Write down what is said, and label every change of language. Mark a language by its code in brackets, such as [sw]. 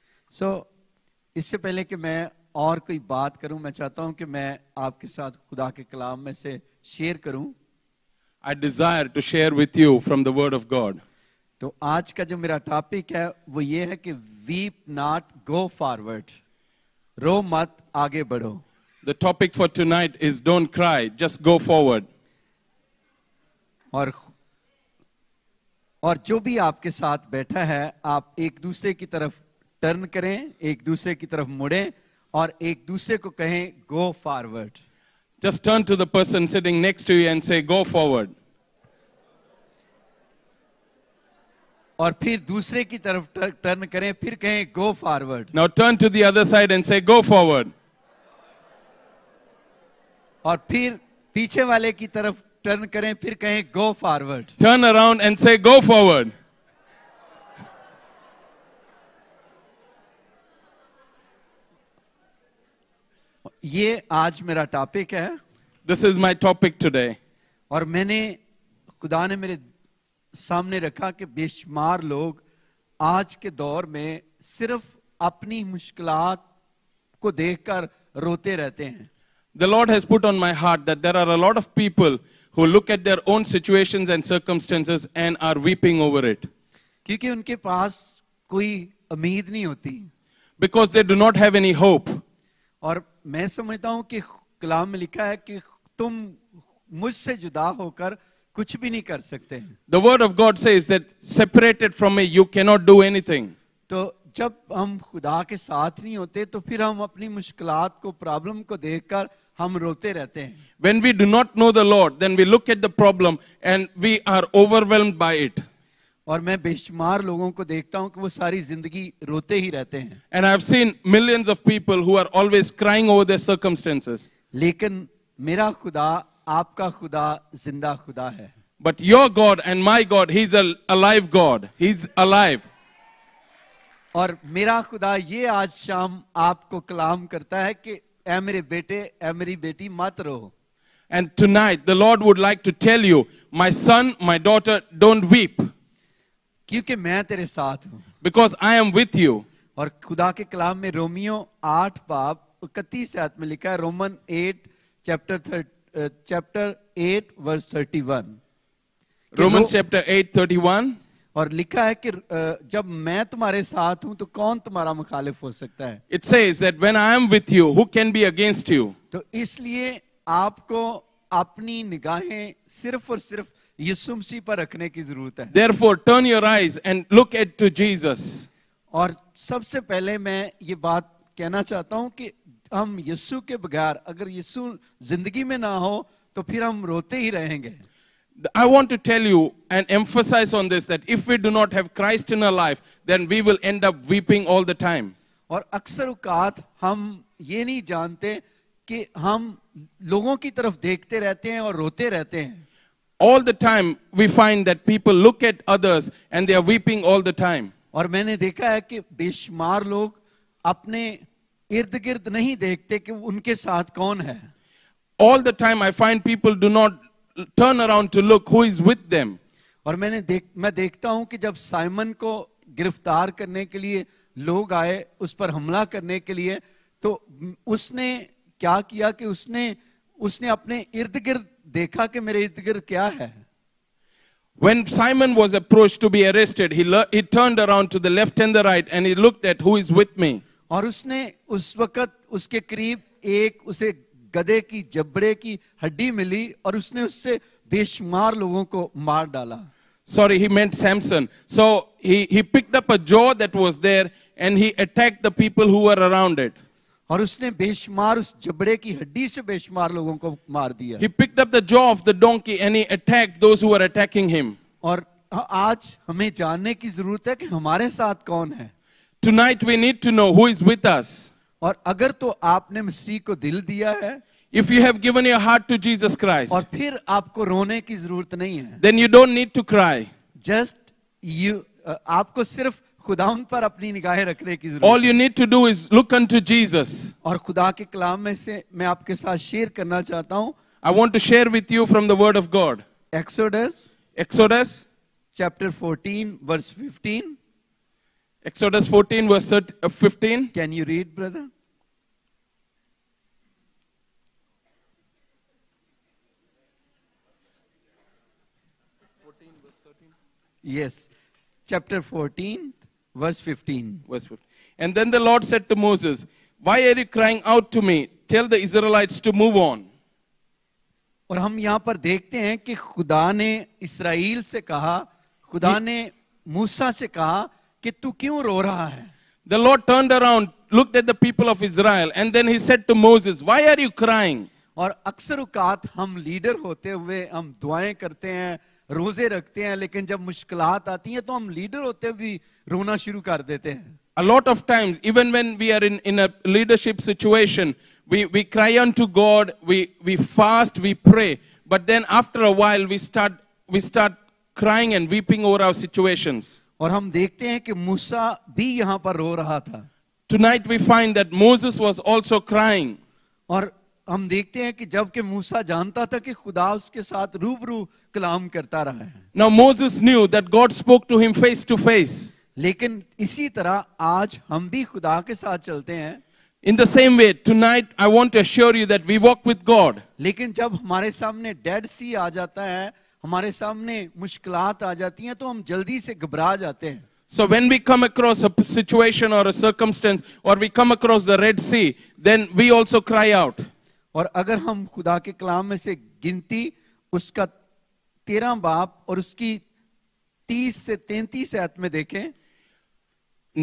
[hi] So, इससे पहले कि मैं और कोई बात करूं, मैं चाहता हूं कि मैं आपके साथ खुदा के कलाम में से शेयर करूं. [en] I desire to share with you from the Word of God. [hi] तो आज का जो मेरा टॉपिक है, वो ये है कि [en] weep not, go forward. [hi] रो मत, आगे बढ़ो. [en] The topic for tonight is don't cry, just go forward. [hi] और जो भी आपके साथ बैठा है, आप एक दूसरे की तरफ टर्न करें, एक दूसरे की तरफ मुड़ें और एक दूसरे को कहें [en] go forward. Just turn to the person sitting next to you and say go forward. [hi] और फिर दूसरे की तरफ टर्न करें, फिर कहें [en] go forward. Now turn to the other side and say go forward. [hi] और फिर पीछे वाले की तरफ टर्न करें, फिर कहें [en] go forward. Turn around and say go forward. [hi] ये आज मेरा टॉपिक है. [en] This is my topic today. [hi] और मैंने खुदा ने मेरे सामने रखा कि बेशुमार लोग आज के दौर में सिर्फ अपनी मुश्किलात को देखकर रोते रहते हैं. [en] The Lord has put on my heart that there are a lot of people who look at their own situations and circumstances and are weeping over it. [hi] क्योंकि उनके पास कोई उम्मीद नहीं होती. [en] Because they do not have any hope. [hi] और मैं समझता हूं कि कलाम में लिखा है कि तुम मुझसे जुदा होकर कुछ भी नहीं कर सकते. [en] The word of God says that separated from me you cannot do anything. [hi] तो जब हम खुदा के साथ नहीं होते तो फिर हम अपनी मुश्किलात को, प्रॉब्लम को देखकर हम रोते रहते हैं. [en] When we do not know the Lord then we look at the problem and we are overwhelmed by it. [hi] और मैं बेशुमार लोगों को देखता हूं कि वो सारी जिंदगी रोते ही रहते हैं. [en] And I've seen millions of people who are always crying over their circumstances. लेकिन मेरा खुदा, आपका खुदा जिंदा खुदा है. But your God and my God, he's an alive God. He's alive. [hi] और मेरा खुदा ये आज शाम आपको कलाम करता है कि ऐ मेरे बेटे, ऐ मेरी बेटी मत रो. [en] And tonight the Lord would like to tell you, my son, my daughter, don't weep. [hi] क्योंकि मैं तेरे साथ हूं. [en] Because I am with you. [hi] और खुदा के कलाम में रोमियो 8 बाब 31 आयत में लिखा है, रोमन 8 [en] chapter 8 verse 31. [hi] और लिखा है कि जब मैं तुम्हारे साथ हूं तो कौन तुम्हारा मुखालिफ हो सकता है. [en] It says that when I am with you who can be against you. [hi] तो इसलिए आपको अपनी निगाहें सिर्फ और सिर्फ यीशु मसीह पर रखने की जरूरत है. [en] Therefore turn your eyes and look at to Jesus. [hi] और सबसे पहले मैं ये बात कहना चाहता हूं कि हम यीशु के बगैर, अगर यीशु जिंदगी में ना हो तो फिर हम रोते ही रहेंगे. [en] I want to tell you and emphasize on this that if we do not have Christ in our life then we will end up weeping all the time. [hi] और अक्सर उकात हम ये नहीं जानते कि हम लोगों की तरफ देखते रहते हैं और रोते रहते हैं. [en] All the time we find that people look at others and they are weeping all the time. [hi] और मैंने देखा है कि बेशुमार लोग अपने इर्द-गिर्द नहीं देखते कि उनके साथ कौन है. [en] All the time I find people do not turn around to look who is with them. [hi] और मैं देखता हूं कि जब साइमन को गिरफ्तार करने के लिए लोग आए उस पर हमला करने के लिए, तो उसने क्या किया कि उसने अपने इर्द-गिर्द देखा कि मेरे इर्द-गिर्द क्या है. [en] When Simon was approached to be arrested he turned around to the left and the right and he looked at who is with me. [hi] और उसने उस वक्त उसके करीब एक उसे गधे की जबड़े की हड्डी मिली और उसने उससे बेशुमार लोगों को मार डाला. [en] Sorry, he meant Samson. So he picked up a jaw that was there and he attacked the people who were around it. [hi] और उसने बेशुमार उस जबड़े की हड्डी से बेशुमार लोगों को मार दिया. [en] He picked up the jaw of the donkey and he attacked those who were attacking him. [hi] और आज हमें जानने की जरूरत है कि हमारे साथ कौन है. [en] Tonight we need to know who is with us. [hi] और अगर तो आपने मसीह को दिल दिया है, [en] if you have given your heart to Jesus Christ, [hi] और फिर आपको रोने की जरूरत नहीं है, [en] then you don't need to cry. Just you, [hi] आपको सिर्फ खुदावंद पर अपनी निगाहें रखने की जरूरत. [en] All you need to do is look unto Jesus. [hi] और खुदा के कलाम में से मैं आपके साथ शेयर करना चाहता हूं. [en] I want to share with you from the word of God. Exodus chapter 14, verse 15. Exodus 14, verse 15. Can you read, brother? Yes, chapter 14, verse 15. Verse 15. And then the Lord said to Moses, "Why are you crying out to me? Tell the Israelites to move on." [hi] और हम यहाँ पर देखते हैं कि खुदा ने इस्राएल से कहा, खुदा ने मूसा से कहा कि तू क्यों रो रहा है? [en] The Lord turned around, looked at the people of Israel, and then He said to Moses, "Why are you crying?" [hi] और अक्सर उकात हम लीडर होते हुए हम दुआएं करते हैं. रोजे रखते हैं लेकिन जब मुश्किलात आती हैं तो हम लीडर होते हुए भी रोना शुरू कर देते हैं. [en] A lot of times, even when we are in a leadership situation, we cry unto God, we fast, we pray, but then after a while we start crying and weeping over our situations. [hi] और हम देखते हैं कि मूसा भी यहाँ पर रो रहा था. [en] Tonight we find that Moses was also crying. [hi] और हम देखते हैं कि जबकि मूसा जानता था कि खुदा उसके साथ रूबरू कलाम करता रहा है। [en] Now Moses knew that God spoke to him face to face. [hi] लेकिन इसी तरह आज हम भी खुदा के साथ चलते हैं। [en] In the same way, tonight I want to assure you that we walk with God. [hi] लेकिन जब हमारे सामने डेड सी आ जाता है, हमारे सामने मुश्किलात आ जाती हैं, तो हम जल्दी से घबरा जाते हैं। [en] So when we come across a situation or a circumstance, or we come across the Red Sea, then we also cry out. [hi] और अगर हम खुदा के कलाम में से गिनती उसका 13 बाप और उसकी 30 से 33 आयत में देखें,